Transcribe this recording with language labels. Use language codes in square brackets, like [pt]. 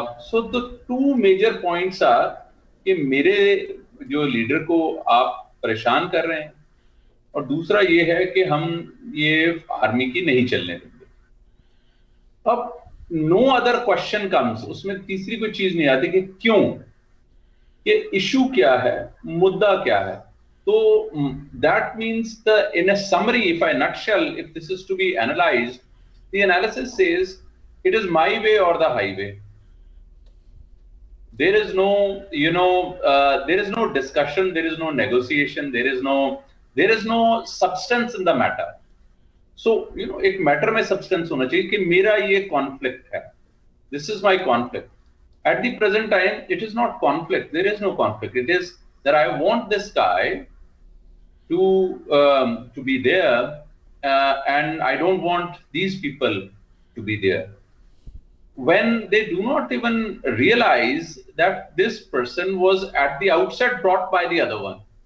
[en] so the two major points are [ur] کہ میرے جو لیڈر کو آپ پریشان کر رہے ہیں, اور دوسرا یہ ہے کہ ہم یہ آرمی کی نہیں چلنے دیں گے. اب [en] no other question comes, [ur] اس میں تیسری کوئی چیز نہیں آتی کہ کیوں, ایشو کیا ہے, مدعا کیا ہے. [en] تو that means the in a summary, if I nutshell, if this is to be analysed, the analysis says it is my way or the highway. There is no you know there is no discussion, there is no negotiation, there is no substance in the matter. So you know [ur] ایک metre میں substance ہونا چاہیے کہ میرا یہ conflict ہے, [en] This is my conflict. At the present time, it is not conflict. There is no conflict. It is that I want this guy to be there, and I don't want these people to be there. When they do not even realize that this person was at the outset brought by the other one.